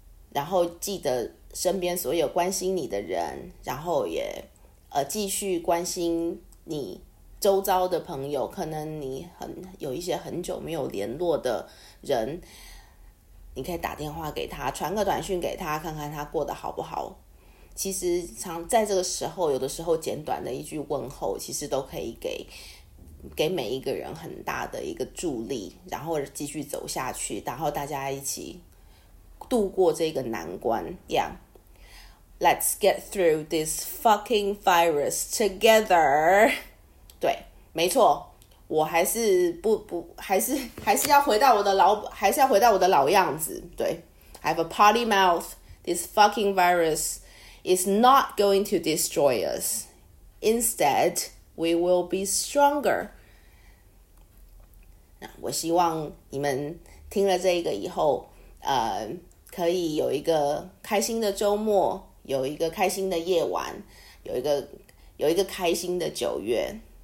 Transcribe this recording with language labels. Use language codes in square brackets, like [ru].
[zh] 然后记得身边所有关心你的人，然后也继续关心你周遭的朋友，可能你很有一些很久没有联络的人，你可以打电话给他，传个短讯给他，看看他过得好不好。其实常在这个时候，有的时候简短的一句问候，其实都可以给每一个人很大的一个助力，然后继续走下去，然后大家一起度过这个难关。 [en] Yeah, Let's get through this fucking virus together. [zh] 对，没错，我还是不还是要回到我的老，还是要回到我的老样子。 [en] 对， I have a potty mouth. This fucking virus is not going to destroy us. Instead, we will be stronger. [zh] 我希望你们听了这个以后，可以有一个开心的周末，有一个开心的夜晚，有一个开心的九月。